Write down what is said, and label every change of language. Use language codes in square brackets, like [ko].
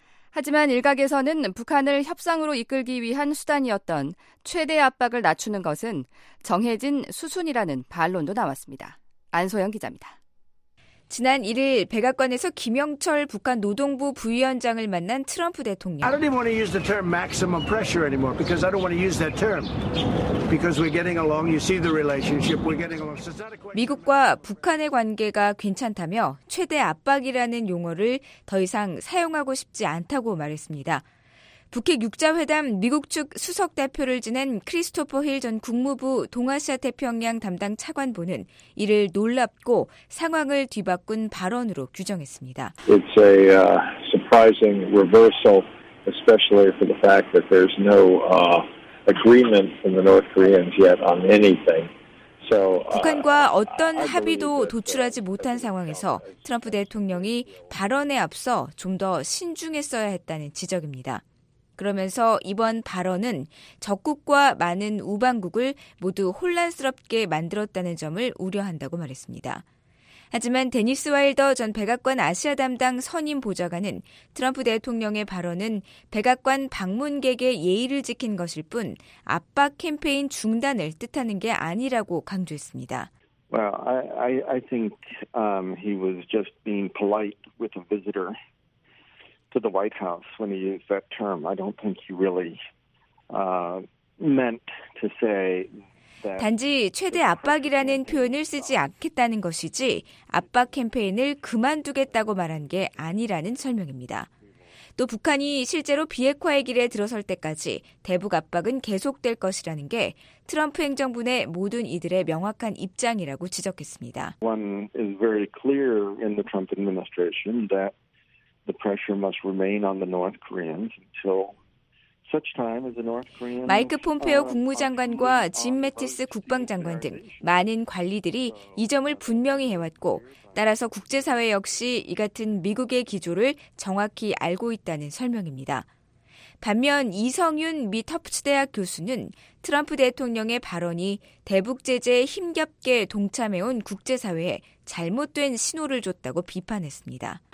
[ko] 하지만 일각에서는 북한을 협상으로 이끌기 위한 수단이었던 최대 압박을 낮추는 것은 정해진 수순이라는 반론도 나왔습니다. 안소영 기자입니다. 지난 1일 백악관에서 김영철 북한 노동부 부위원장을 만난 트럼프 대통령. [en] I don't want to use the term maximum pressure anymore because I don't want to use that term because we're getting along. You see the relationship. We're getting along. [ko] 미국과 북한의 관계가 괜찮다며 최대 압박이라는 용어를 더 이상 사용하고 싶지 않다고 말했습니다. 북핵 6자 회담 미국 측 수석 대표를 지낸 크리스토퍼 힐 전 국무부 동아시아 태평양 담당 차관보는 이를 놀랍고 상황을 뒤바꾼 발언으로 규정했습니다. [en] It's a surprising reversal, especially for the fact that there's no agreement from the North Koreans yet on anything. [ko] 북한과 어떤 합의도 도출하지 못한 상황에서 트럼프 대통령이 발언에 앞서 좀 더 신중했어야 했다는 지적입니다. 그러면서 이번 발언은 적국과 많은 우방국을 모두 혼란스럽게 만들었다는 점을 우려한다고 말했습니다. 하지만 데니스 와일더 전 백악관 아시아 담당 선임 보좌관은 트럼프 대통령의 발언은 백악관 방문객의 예의를 지킨 것일 뿐 압박 캠페인 중단을 뜻하는 게 아니라고 강조했습니다. [en] Well, I think he was just being polite with a visitor. To the White House when he used that term, I don't think he really meant to say that. [ko] 단지 최대 압박이라는 표현을 쓰지 않겠다는 것이지 압박 캠페인을 그만두겠다고 말한 게 아니라는 설명입니다. 또 북한이 실제로 비핵화의 길에 들어설 때까지 대북 압박은 계속될 것이라는 게 트럼프 행정부 내 모든 이들의 명확한 입장이라고 지적했습니다. [en] One is very clear in the Trump administration that. The pressure must remain on the North Koreans until such time as the North Koreans. [ko] 마이크 폼페오 국무장관과 짐 매티스 국방장관 등 많은 관리들이 이 점을 분명히 해왔고, 따라서 국제사회 역시 이 같은 미국의 기조를 정확히 알고 있다는 설명입니다. 반면 이성윤 미 터프츠대학 교수는 트럼프 대통령의 발언이 대북 제재에 힘겹게 동참해온 국제사회에 잘못된 신호를 줬다고 비판했습니다.